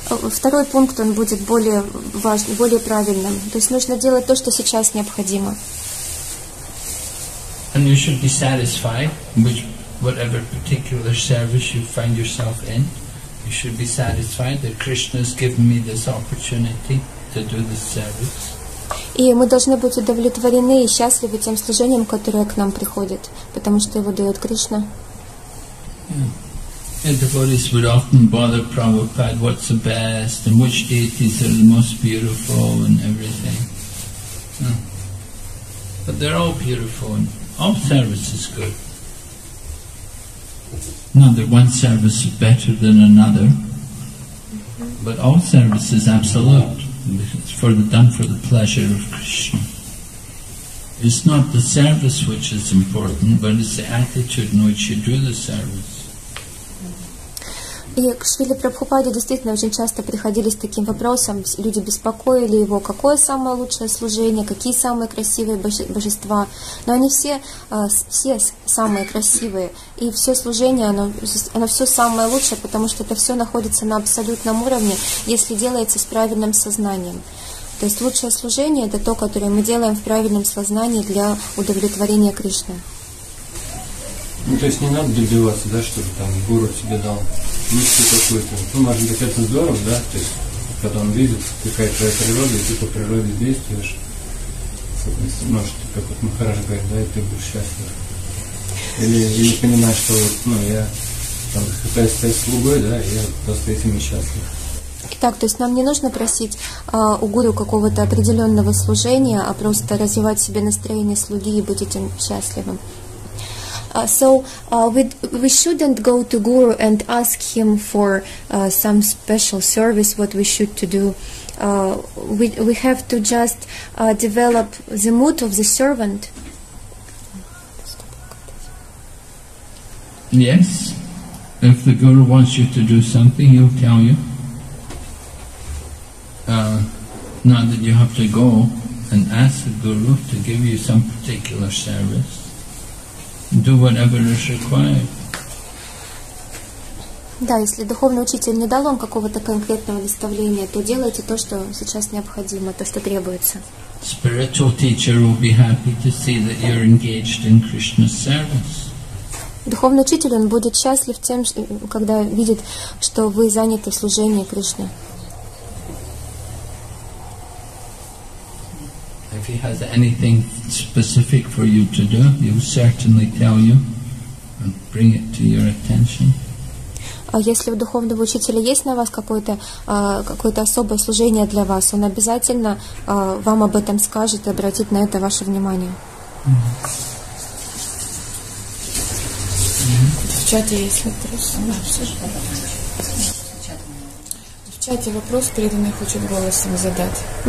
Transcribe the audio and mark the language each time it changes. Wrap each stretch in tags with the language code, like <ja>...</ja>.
<ru>Второй пункт, он будет более важным, более правильным. То есть нужно делать то, что сейчас необходимо.</ru> <en>And you should be satisfied with whatever particular service you find yourself in. You should be satisfied that Krishna's given me this opportunity to do this service.</en> <ru>И мы должны быть удовлетворены и счастливы тем служением, которое к нам приходит, потому что его дает Кришна.</ru> <en>And devotees would often bother Prabhupada, what's the best, and which deities are the most beautiful, and everything. But they're all beautiful, and all service is good. Not that one service is better than another, but all service is absolute. It's for the, done for the pleasure of Krishna. It's not the service which is important, but it's the attitude in which you do the service.</en> <ru>И к Шриле Прабхупаде действительно очень часто приходили с таким вопросом, люди беспокоили его, какое самое лучшее служение, какие самые красивые божества. Но они все, все самые красивые, и все служение, оно все самое лучшее, потому что это все находится на абсолютном уровне, если делается с правильным сознанием. То есть лучшее служение – это то, которое мы делаем в правильном сознании для удовлетворения Кришны. Ну, то есть не надо добиваться, да, чтобы там гуру тебе дал миссию какую-то. Ну, может быть, это здорово, да, то есть, когда он видит, какая твоя природа, и ты по природе действуешь. Ну, что, как вот Махарадж говорит, да, и ты будешь счастлив. Или понимаешь, что вот, ну, я там пытаюсь стать слугой, да, и я просто этим несчастлив. Итак, то есть нам не нужно просить у гуру какого-то определенного служения, а просто развивать в себе настроение слуги и быть этим счастливым.</ru> <en>So we shouldn't go to Guru and ask him for some special service, what we should to do. We have to just develop the mood of the servant. Yes, if the Guru wants you to do something, he'll tell you. Not that you have to go and ask the Guru to give you some particular service. Do whatever is required.</en> <ru>Да, если духовный учитель не дал вам какого-то конкретного наставления, то делайте то, что сейчас необходимо, то, что требуется.</ru> <en>Spiritual teacher will be happy to see that you're engaged in Krishna's service.</en> <ru>Духовный учитель, он будет счастлив тем, когда видит, что вы заняты в служении Кришне.</ru> <en>If he has anything specific for you to do, he will certainly tell you and bring it to your attention.</en> <ru>Если у духовного учителя есть на вас какое-то особое служение для вас, он обязательно вам об этом скажет и обратит на это ваше внимание. В чате есть вопрос. В чате вопрос, преданный хочет голосом задать.</ru>